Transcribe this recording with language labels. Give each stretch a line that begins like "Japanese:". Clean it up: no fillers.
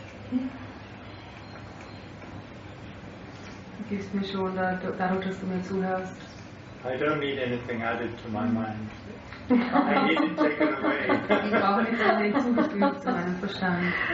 German: Du gibst mir schon dadurch, dass du mir zuhörst.
English: I don't need anything added to my mind. I need it taken away.
German: Ich brauche nichts mehr hinzugefügt zu meinem Verstand.